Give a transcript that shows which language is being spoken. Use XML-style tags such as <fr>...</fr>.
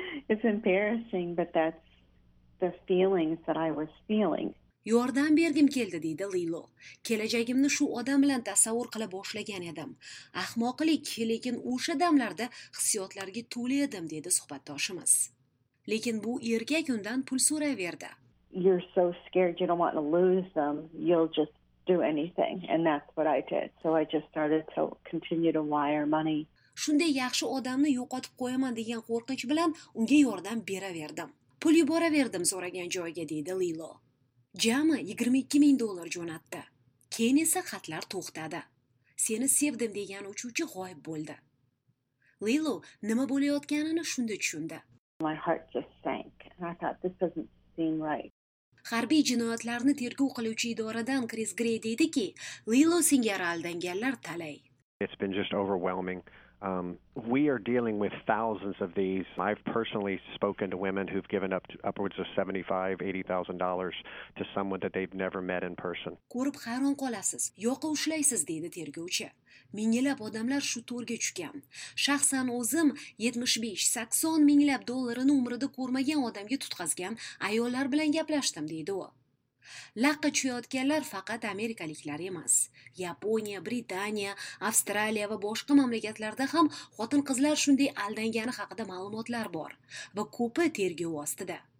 <en>It's embarrassing, but that's the feelings that I was feeling.</en> <uz>Yordam bergim keldi, deydi Lilo. Kelajagimni shu odam bilan tasavvur qila boshlagan edim. Ahmoqlik, lekin o'sha damlarda hissiyotlarga to'la edim, deydi suhbatdoshimiz. lekin bu erkak undan pul so'rayverdi.</uz> <en>You're so scared you don't want to lose them, you'll just do anything, and that's what I did. So I just started to continue to wire money.</en> <uz>Shunday yaxshi odamni yo'qotib qo'yaman degan qo'rqinch bilan unga yordam beraverdim. Pul yuboraverdim so'ragan joyga, deydi Lilo. Jami $22,000 jo'natdi. Keyin esa xatlar to'xtadi. Seni sevdim degan uchuvchi g'oyib bo'ldi. Lilo nima bo'layotganini shunda tushundi.</uz> <en>My heart just sank. I thought this doesn't seem right.</en> <uz>Harbiy jinoyatlarni tergov qiluvchi idoradan Chris Gray dediki, Lilo singari aldanganlar talay.</uz> <en>It's been just overwhelming. We are dealing with thousands of these. I've personally spoken to women who've given up upwards of $75,000-$80,000 to someone that they've never met in person.</en> <uz>Ko'rib hayron qolasiz. Yo'qqa ushlaysiz, dedi tergovchi. Minglab odamlar shu to'rga tushgan. Shaxsan o'zim 75-80 minglab dollarini umrida ko'rmagan odamga tutqazgan ayollar bilan gaplashdim, dedi u. Laqqa tushayotganlar faqat amerikaliklar emas. Yaponiya, Britaniya, Avstraliya va boshqa mamlakatlarda ham xotin-qizlar shunday aldangani haqida ma'lumotlar bor va ko'pi tergov ostida.</uz>